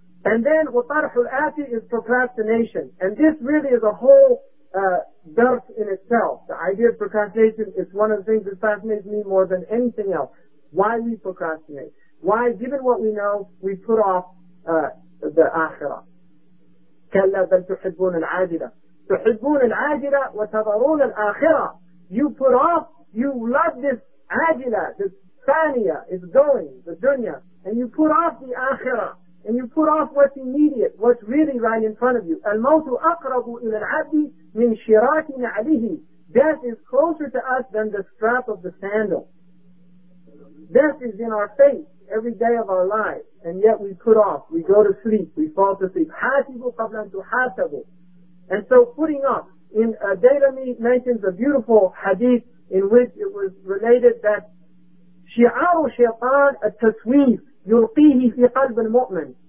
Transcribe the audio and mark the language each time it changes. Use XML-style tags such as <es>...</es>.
<en>And then watarful ati is procrastination. And this really is a whole dark in itself. The idea of procrastination is one of the things that fascinates me more than anything else. Why we procrastinate? Why, given what we know, we put off the akhirah?</en> <ar>كلا بل تحبون العاجلة. تحبون العاجلة وتضرون الآخرة.</ar> <en>You put off, you love this ajila, this thaniya, it's going, the dunya. And you put off the akhirah. And you put off what's immediate, what's really right in front of you.</en> <ar>الموت أقرب إلى العبد من شراك نعله.</ar> <en>Death is closer to us than the strap of the sandal. Death is in our face every day of our life, and yet we put off, we go to sleep, we fall to sleep.</en> <ar>حَاسِبُوا قَبْلَ أَنْ تُحَاسَبُوا.</ar> <en>And so putting off, in Daylami mentions a beautiful hadith in which it was related that</en> <ar>شِعَارُ شَيْطَانَ التَّسْوِيفِ يُلْقِيهِ فِي قَلْبِ الْمُؤْمِنِ.</ar>